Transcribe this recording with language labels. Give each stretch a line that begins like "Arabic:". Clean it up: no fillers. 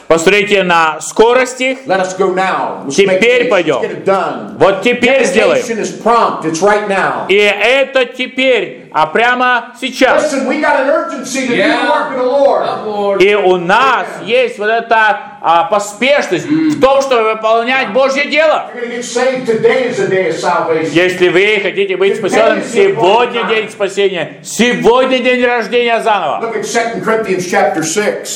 Russian: Посмотрите на скорость их.
English: Let us go now.
Russian: Теперь пойдем.
English: Let's get it done.
Russian: Вот теперь сделаем.
English: Dedication is prompt. It's right now.
Russian: И это теперь, а прямо сейчас.
English: Listen, we got an urgency to do the work of the Lord.
Russian: И у нас есть вот эта поспешность в том, чтобы выполнять Божье дело. Если вы хотите быть спасенным, сегодня день спасения. Сегодня день рождения заново.
English: Look at 2 Corinthians chapter 6.